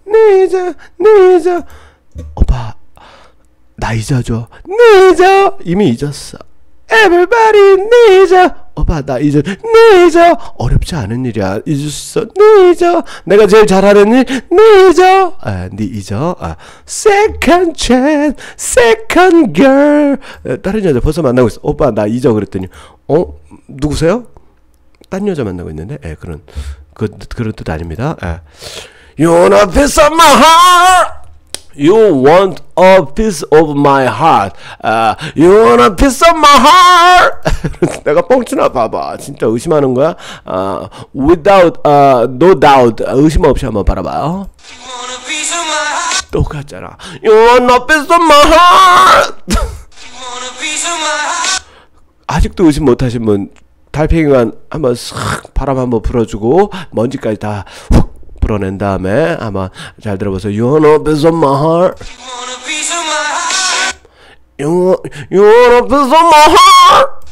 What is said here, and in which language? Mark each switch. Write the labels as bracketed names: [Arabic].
[Korean] 니저 니저 오빠 나 잊어줘 니저 이미 잊었어 Everybody 니저 오빠 나 잊어 니저 어렵지 않은 일이야 잊을 수 있어 니저 내가 제일 잘하는 일 니저 아, 니 잊어 아, [English] Second chance Second girl [Korean] 다른 여자 벌써 만나고 있어 오빠 나 잊어 그랬더니 어? 누구세요? 딴 여자 만나고 있는데 에, 그런 그런 뜻 아닙니다 에. [English] You want a piece of my heart? You want a piece of my heart? You want a piece of my heart? [Korean] 내가 뻥치나 봐봐. 진짜 의심하는 거야? [English] Without, no doubt. [Korean] 의심 없이 한번 바라봐요. [English] You want a piece of my heart? [Korean] 똑같잖아. [English] You want a piece of my heart? You want a piece of my heart? [Korean] 아직도 의심 못하신 분, 달팽이관 한번 싹 바람 한번 불어주고, 먼지까지 다 훅 불어낸 다음에 아마 잘 들어보세요. [English] You want a piece of my heart. You want a piece of my heart. You want a piece of my heart.